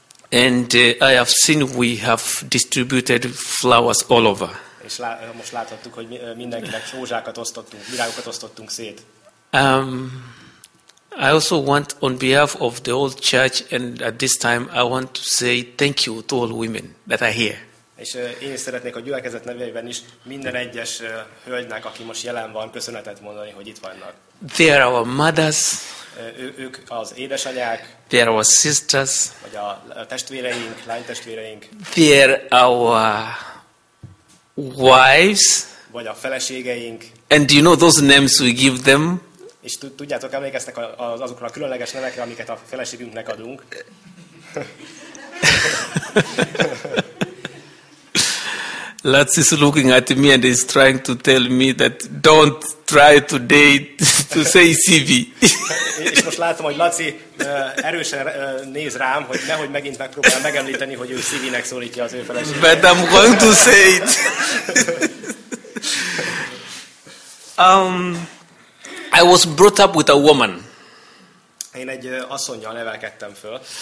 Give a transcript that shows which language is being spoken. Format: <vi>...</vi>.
<en>And I have seen we have distributed flowers all over.</en> <hu>És most láthattuk, hogy mindenkinek rózsákat osztottunk, virágokat osztottunk szét.</hu> <en>I also want on behalf of the whole church and at this time I want to say thank you to all women that are here.</en> <hu>És én is szeretnék a gyülekezet nevében is minden egyes hölgynek, aki most jelen van, köszönetet mondani, hogy itt vannak.</hu> <en>They are our mothers.</en> <hu>Ők az édesanyák.</hu> <en>They are our sisters.</en> <hu>Vagy a testvéreink, lánytestvéreink.</hu> <en>They are our wives.</en> <hu>Vagy a feleségeink.</hu> <en>And do you know those names we give them?</en> <hu>És tudjátok, emlékeztek azokra a különleges nevekre, amiket a feleségünknek adunk.</hu> <en>Lutz is looking at me and is trying to tell me that don't try today to say CV.</en> <hu>És most látom, hogy Laci erősen néz rám, hogy nehogy megint megpróbál megemlíteni, hogy ő CV-nek szólítja az ő feleségét.</hu> <en>But I'm going to say it. I was brought up with a woman.</en> <hu>Én egy asszonnyal nevelkedtem föl.</hu>